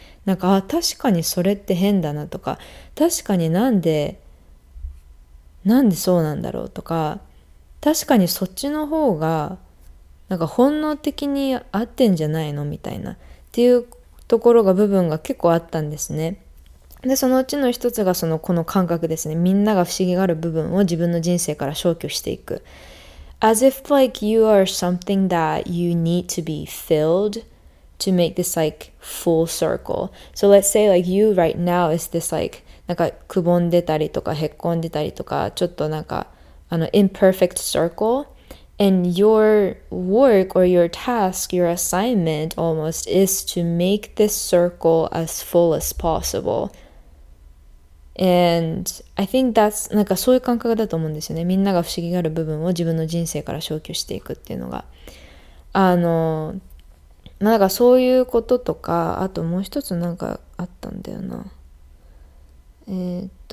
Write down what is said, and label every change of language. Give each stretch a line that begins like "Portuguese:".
Japanese: なんか、あ、確かにそれって変だなとか、確かになんでそうなんだろうとか、確かにそっちの方がなんか本能的に合ってんじゃないのみたいなっていうところが、部分が結構あったんですね。で、そのうちの一つが、そのこの感覚ですね。みんなが不思議がある部分を自分の人生から消去していく。
English: As if like you are something that you need to be filled to make this like full circle. So let's say like you right now is this like,
Japanese: なんかくぼんでたりとかへっこんでたりとか、ちょっとなんかあの
English: imperfect circle. And your work or your task, your assignment almost is to make this circle as full as possible. And I think that's,
Japanese: なんかそういう感覚だと思うんですよね。みんなが不思議がある部分を自分の人生から消去していくっていうのが。あの、なんかそういうこととか、あともう一つなんかあったんだよな。ね。